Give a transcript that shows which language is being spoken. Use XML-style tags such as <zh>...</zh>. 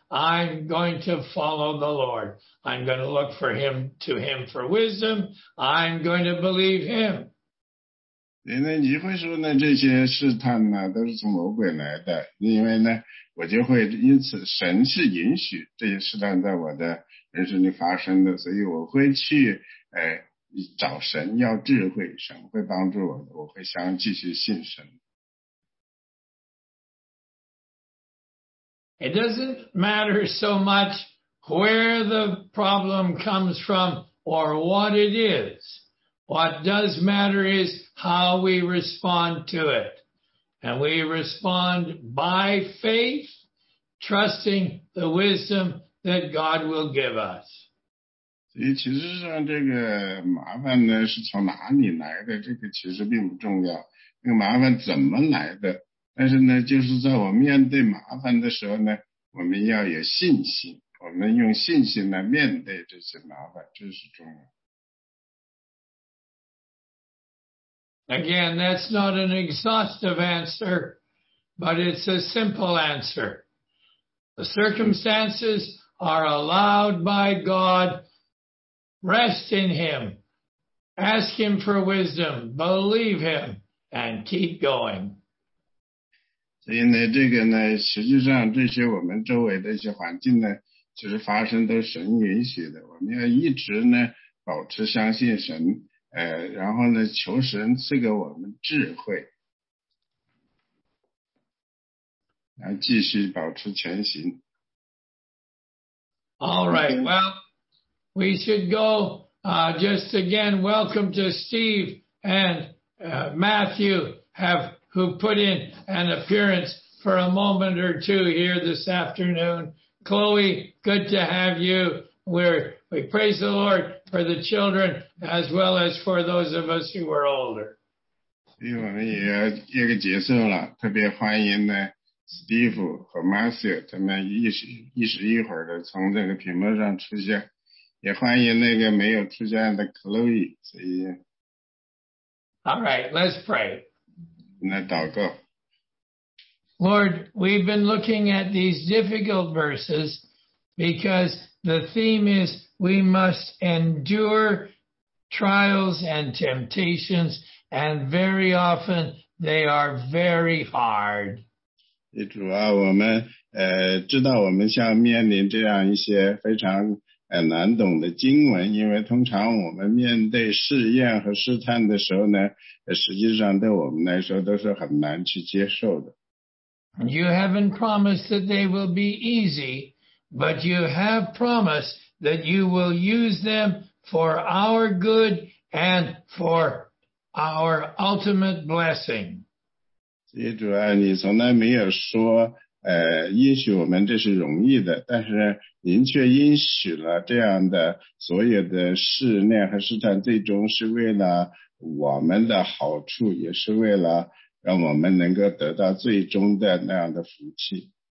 <en>I'm going to follow the Lord. I'm going to look for him, to him for wisdom. I'm going to believe him.</en> <zh>那你会说呢？这些试探呢，都是从魔鬼来的，因为呢，我就会因此神是允许这些试探在我的人生里发生的，所以我会去找神要智慧，神会帮助我，我会想继续信神。</zh> <en>It doesn't matter so much where the problem comes from or what it is. What does matter is how we respond to it. And we respond by faith, trusting the wisdom that God will give us.</en> <zh>所以其实上这个麻烦呢是从哪里来的，这个其实并不重要。那个麻烦怎么来的，但是呢就是在我面对麻烦的时候呢，我们要有信心，我们用信心来面对这些麻烦，这是重要。</zh> <en>Again, that's not an exhaustive answer, but it's a simple answer. The circumstances are allowed by God. Rest in Him. Ask Him for wisdom. Believe Him and keep going.</en> <zh>所以呢，这个呢，实际上这些我们周围的一些环境呢，其实发生都是神允许的。我们要一直呢，保持相信神。然后呢，求神赐给我们智慧，然后继续保持前行。</zh> <en>All right, well, we should go. Just again, welcome to Steve and Matthew, who put in an appearance for a moment or two here this afternoon. Chloe, good to have you. We praise the Lord for the children as well as for those of us who are older.</en> <zh>所以我们也要这个结束了，特别欢迎呢 Steve 和 Matthew 他们一时一会儿的从这个屏幕上出现，也欢迎那个没有出现的 Chloe。所以</zh> <en>，All right, let's pray.</en> <zh>来祷告。</zh> <en>Lord, we've been looking at these difficult verses because the theme is we must endure trials and temptations, and very often they are very hard.</en> <zh>主啊，我们知道我们像面临这样一些非常难懂的经文，因为通常我们面对试验和试探的时候呢，实际上对我们来说都是很难去接受的。</zh> <en>You haven't promised that they will be easy, but you have promised that you will use them for our good and for our ultimate blessing.</en> <zh>所以主啊，你从来没有说应许我们这是容易的，但是您却应许了这样的所有的试炼和试探最终是为了我们的好处，也是为了让我们能够得到最终的那样的福气。</zh>